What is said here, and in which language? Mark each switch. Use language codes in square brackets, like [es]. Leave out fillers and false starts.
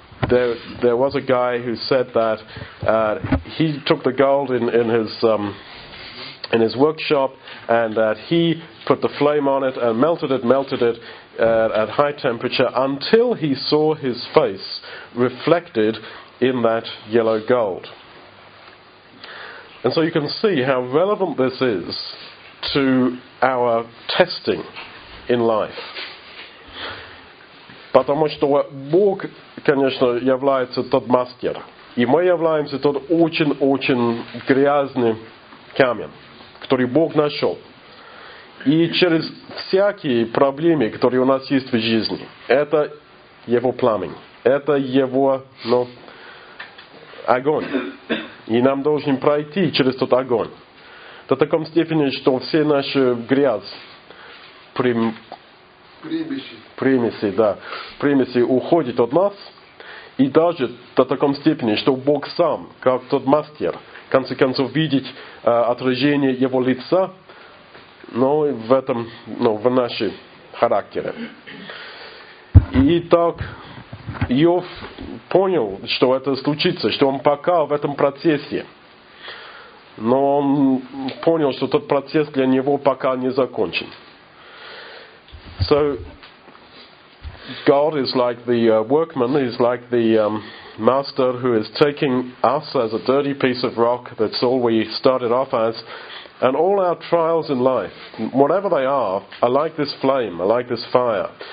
[en] There was a guy who said that he took the gold in his workshop, and that he put the flame on it and melted it at high temperature until he saw his face reflected in that yellow gold. And so you can see how relevant this is to our testing in life. [ru] Потому что Бог, конечно, является тот мастер. И мы являемся тот очень-очень грязный камень, который Бог нашел. И через всякие проблемы, которые у нас есть в жизни, это его пламень, это его, ну, огонь. И нам должен пройти через тот огонь. до такой степени, что все наши грязь, примеси уходит от нас, и даже до такой степени, что Бог сам, как тот мастер, в конце концов видит отражение Его лица, в нашем характере. И так Иов понял, что это случится, что он пока в этом процессе. Но он понял, что тот процесс для него пока не закончен. [en] So, God is like the workman, he's like the master who is taking us as a dirty piece of rock, that's all we started off as. And all our trials in life, whatever they are like this flame, are like this fire.